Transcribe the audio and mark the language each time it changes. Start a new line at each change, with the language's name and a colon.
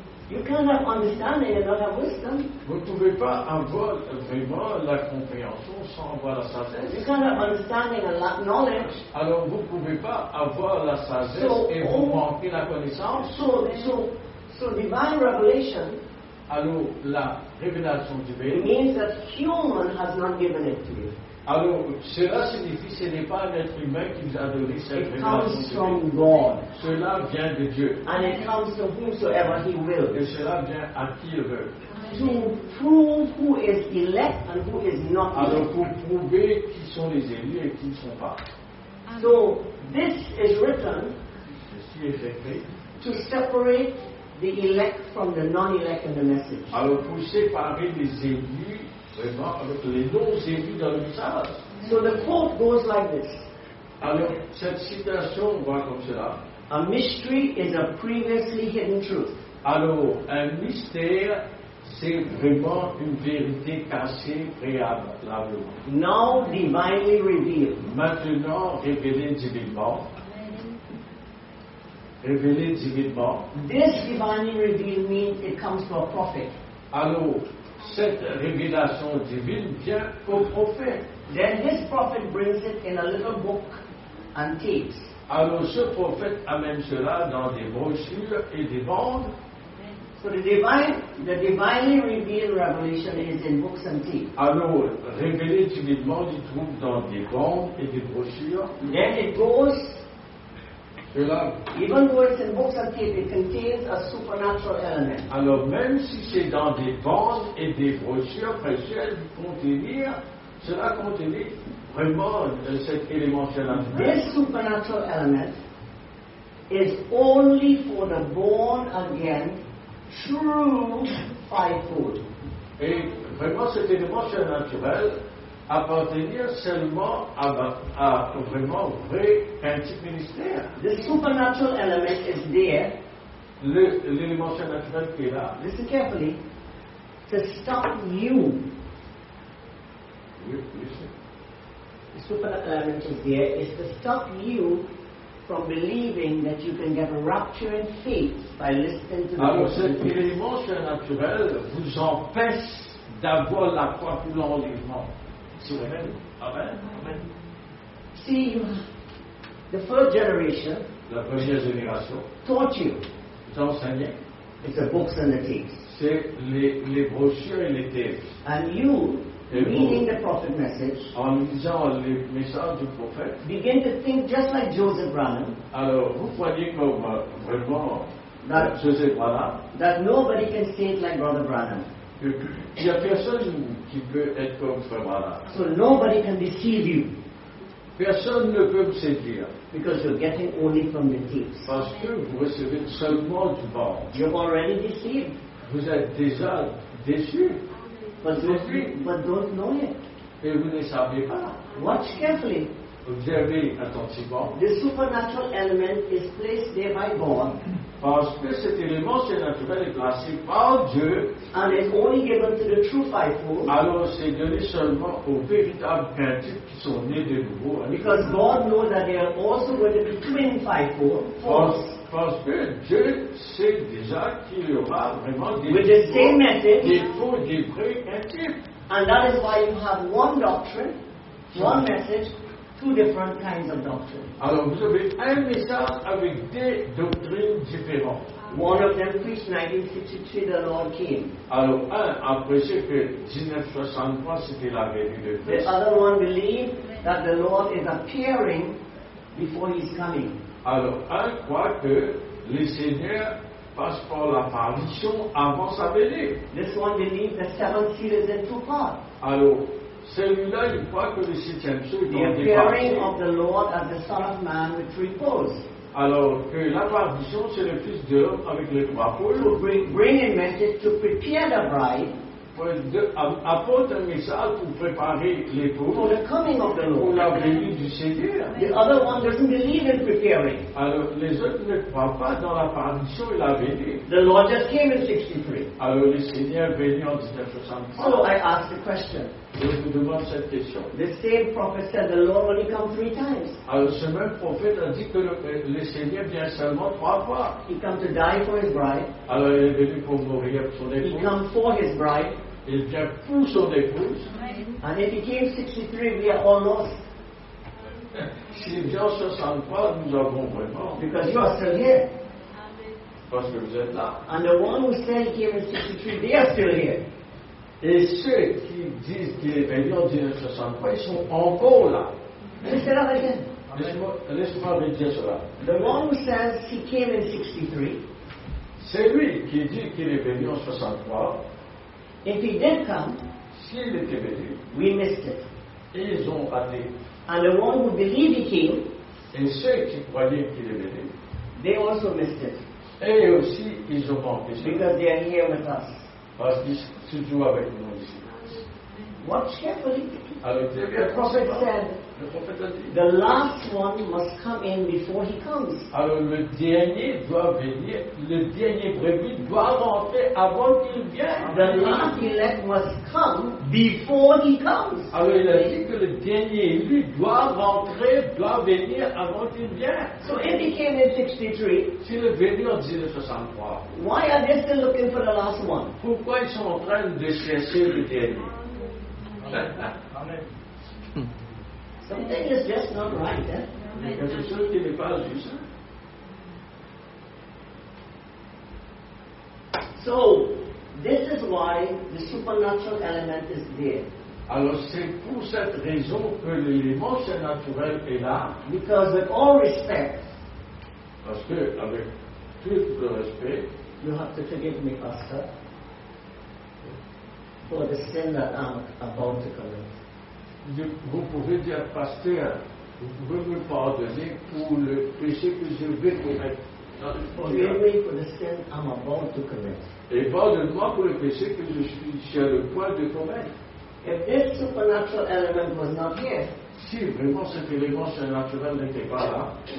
English: You cannot understand it without a wisdom.
French: Vous ne pouvez pas avoir vraiment la compréhension sans avoir la sagesse.
English: You cannot understand it without knowledge.
French: Alors vous ne pouvez pas avoir la sagesse et vous manquez la connaissance.
English: So divine revelation.
French: Alors la révélation divine.
English: Means that human has not given it to you.
French: Alors, cela signifie que ce n'est pas un être humain qui vous a donné cette
English: it
French: révélation.
English: Comes from God.
French: Cela vient de Dieu.
English: And it comes to whomsoever he will.
French: Et cela vient à qui il veut.
English: To prove who is elect and who is not elect.
French: Alors, pour prouver qui sont les élus et qui ne sont pas.
English: So, this is written.
French: Ceci est écrit.
English: To separate the elect from the non-elect in the message.
French: Alors, pour séparer les élus. Vraiment, avec les noms élus dans le message.
English: So the quote goes like this.
French: Alors, cette citation va comme cela.
English: A mystery is a previously hidden truth.
French: Alors, un mystère, c'est vraiment une vérité cachée préalablement.
English: Now divinely revealed.
French: Maintenant révélée divinement. révélé divinement.
English: This divinely revealed means it comes to a prophet.
French: Alors, cette révélation divine vient au prophète.
English: Then this prophet brings it in a little book and tapes.
French: Alors, ce prophète amène cela dans des brochures et des bandes.
English: So the divinely revealed revelation is in books and tapes.
French: Alors, révélé divinement, il trouve dans des bandes et des brochures.
English: Then it goes.
French: Cela,
English: even though it's in books and tapes, it contains a supernatural element.
French: Alors, même si c'est dans des bandes et des brochures précieuses, cela contient vraiment cet élément challenge.
English: This supernatural element is only for the born again. True fivefold.
French: Et vraiment, cet élément surnaturel appartient seulement à vraiment vrai principe ministère.
English: The supernatural element is there.
French: L'élément surnaturel qui est là.
English: Listen carefully. To stop you. The supernatural element is there. Is to stop you from believing that you can get a rupture in faith by listening to the
French: Alors, cet élément surnaturel vous empêche d'avoir la foi pour l'enlèvement.
English: Amen. See, the first generation,
French: la première génération,
English: taught you.
French: Vous enseignez.
English: It's the books and the tapes.
French: C'est les brochures et les tapes.
English: And you, reading the prophet message,
French: en lisant le message du prophète,
English: begin to think just like Joseph Brannan.
French: Alors, vous croyez comme vraiment that Joseph Brannan,
English: that nobody can think like Brother Brannan.
French: Il y a personne qui peut être comme Frère Brannan.
English: So nobody can deceive you.
French: Personne ne peut vous séduire.
English: Because you're getting only from the tapes.
French: Parce que vous recevez seulement du bord.
English: You're already deceived.
French: Vous êtes déjà déçu.
English: But don't know it.
French: Et vous ne savez pas.
English: Watch carefully.
French: Observez attentivement.
English: The supernatural element is placed there by God.
French: Parce que cet élément surnaturel est placé par Dieu.
English: And it's only given to the true faithful.
French: Alors c'est donné seulement aux véritables pentecôtistes qui sont nés de nouveau.
English: Because God knows that they are also going to be twin faithful.
French: Parce que Dieu sait déjà qu'il y aura vraiment des
English: with the same method,
French: des faux, des vrais principes.
English: And that is why you have one doctrine, one message, two different kinds of doctrine.
French: Alors vous avez un message avec deux doctrines différentes.
English: One of them preached 1963, the Lord came.
French: Alors un a prêché que 1963 c'était la venue de Christ.
English: The other one believed that the Lord is appearing before he's coming.
French: Alors, un croit que le Seigneur passe par l'apparition avant sa venue.
English: This one believes the seventh seal is in two parts.
French: Alors, celui-là, il croit que le septième seal est dans deux parties.
English: The appearing of the Lord as the Son of Man with three poles.
French: Alors, que l'apparition, c'est le Fils de l'homme avec les trois poles.
English: To bring a message to prepare the bride.
French: Apporte un message pour préparer les pauvres
English: for the coming of the Lord.
French: Pour la venue du Seigneur.
English: The other one doesn't believe in preparing.
French: Alors, les autres ne croient pas dans l'apparition et la venue.
English: The Lord just came in 63.
French: Alors, le Seigneur est venu en 1963.
English: So I ask the question.
French: Je vous demande cette question.
English: The same prophet said the Lord only comes three times.
French: Alors, ce même prophète a dit que le Seigneur vient seulement trois fois.
English: He comes to die for his bride.
French: Alors, il est venu pour mourir pour son épouse.
English: He comes for his bride.
French: Il vient pour son épouse.
English: And if he came 63, we are all lost.
French: S'il vient 63, nous avons vraiment.
English: Because you are still here.
French: Parce que vous êtes là.
English: And the one who said he came in 63, they are still here.
French: Et ceux qui disent qu'il est venu en 1963, ils sont encore là. Laisse-moi redire cela.
English: The one who says he came in 63,
French: c'est lui qui dit qu'il est venu en 63.
English: If he did come,
French: s'il était venu,
English: we missed it.
French: Et ils ont raté.
English: And the one who believed he came,
French: et ceux qui croyaient qu'il est venu,
English: they also missed it.
French: Et aussi, ils ont manqué.
English: Because they are here with us.
French: Parce qu'ils sont toujours avec nous ici.
English: What shepherd?
French: Le prophète a dit.
English: The last one must come in before he comes.
French: Alors le dernier doit venir. Le dernier brebis doit rentrer avant qu'il vienne.
English: The last elect must come before he comes.
French: Alors il a dit que le dernier élu doit rentrer, doit venir avant qu'il vienne.
English: So if he came in 63.
French: S'il est venu en 1963.
English: Why are they still looking for the last one?
French: Pourquoi ils sont en train de chercher le dernier?
English: Amen. Something is just not right, eh? Amen. Because so this is why the supernatural element is there.
French: Alors c'est pour cette raison que l'élément surnaturel est là.
English: Because with all respect.
French: Parce que avec tout le respect.
English: You have to forgive me, Pastor. For the sin that I'm about to commit.
French: Vous pouvez dire, pasteur, vous pouvez me pardonner pour le péché que je vais commettre.
English: Forgive me for the sin I'm about to commit.
French: Et pardonne-moi pour le péché que je suis sur le point de commettre.
English: If this supernatural element was not here,
French: si vraiment cet élément surnaturel n'était pas là,